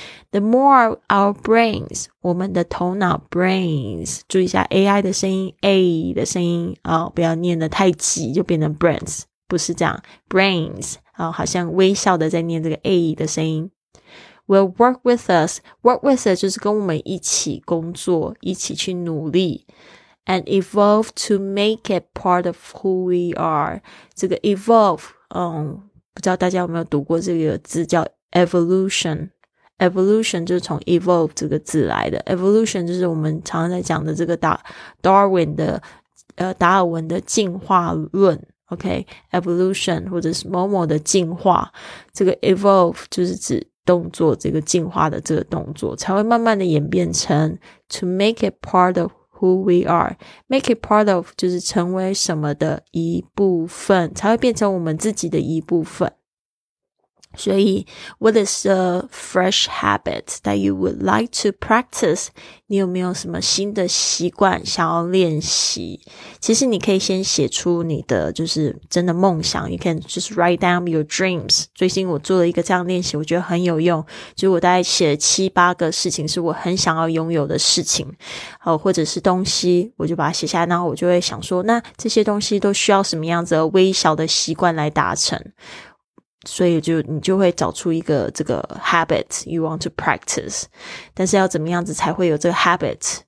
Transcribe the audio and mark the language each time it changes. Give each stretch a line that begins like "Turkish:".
English: The more our brains,
Chinese: 我们的头脑 brains, 注意一下 AI 的声音 ,A 的声音、哦、不要念得太急就变成 brains, 不是这样 ,brains,、哦、好像微笑的在念这个 A 的声音。
English: Will work with us, work with us
Chinese: 就是跟我们一起工作，一起去努力。
English: And evolve to make it part of who we are.
Chinese: 这个 evolve,、不知道大家有没有读过这个字叫 evolution。 Evolution 就是从 evolve 这个字来的。Evolution 就是我们常常在讲的这个达尔文的进化论。 OK,Evolution 或者是某某的进化。这个 evolve 就是指动作，这个进化的这个动作才会慢慢的演变成
English: to make it part of who we are. Make it part of
Chinese: 就是成为什么的一部分，才会变成我们自己的一部分。所以
English: What is a fresh habit that you would like to practice?
Chinese: 你有没有什么新的习惯想要练习？其实你可以先写出你的就是真的梦想，
English: You can just write down your dreams.
Chinese: 最近我做了一个这样练习，我觉得很有用，就是我大概写了七八个事情是我很想要拥有的事情，或者是东西，我就把它写下来，然后我就会想说，那这些东西都需要什么样子的微小的习惯来达成，所以就你就会找出一个这个
English: habit you want to practice.
Chinese: 但是要怎么样子才会有这个 habit